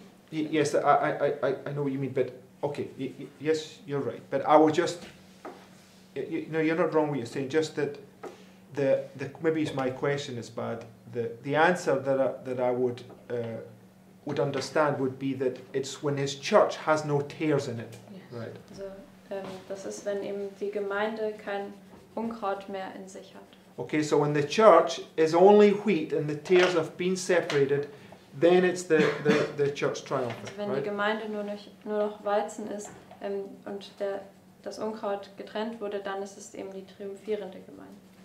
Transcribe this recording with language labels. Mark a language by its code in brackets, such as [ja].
[en] Yes, I know what you mean, but okay, yes, you're right. But I would just, you know, you're not wrong with what you're saying, just that the maybe it's my question is bad. The answer that I would understand would be that it's when his church has no tares in it, yes. Right? [de] So, das ist, wenn eben die Gemeinde kein Unkraut mehr in sich hat. [en] Okay, so when the church is only wheat and the tares have been separated, then it's the church triumphant. [de] Also wenn die Gemeinde nur noch Weizen ist und das Unkraut getrennt wurde, dann ist es eben die triumphierende Gemeinde.